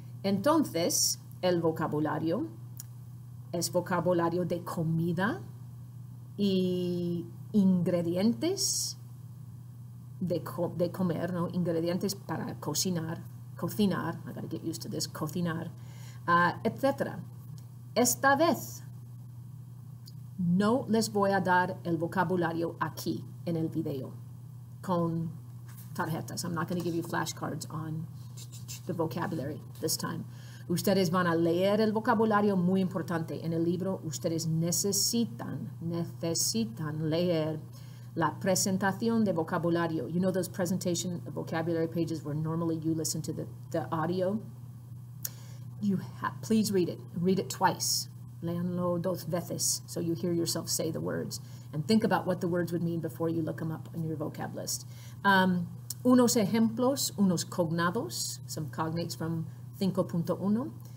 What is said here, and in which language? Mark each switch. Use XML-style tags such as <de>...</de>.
<es>Entonces, el vocabulario es vocabulario de comida y ingredientes de comer, ¿no? Ingredientes para cocinar,</es> <en>I gotta get used to this, cocinar, etc.</en> <es>Esta vez no les voy a dar el vocabulario aquí en el video con tarjetas.</es> <en>I'm not going to give you flashcards on the vocabulary this time.</en> <es>Ustedes van a leer el vocabulario, muy importante. En el libro, ustedes necesitan leer la presentación de vocabulario.</es> <en>You know those presentation vocabulary pages where normally you listen to the audio? Please read it. Read it twice.</en> <es>Leanlo dos veces</es> <en>so you hear yourself say the words. And think about what the words would mean before you look them up in your vocab list.</en> <es>Unos ejemplos, unos cognados,</es> <en>some cognates from 5.1.</en>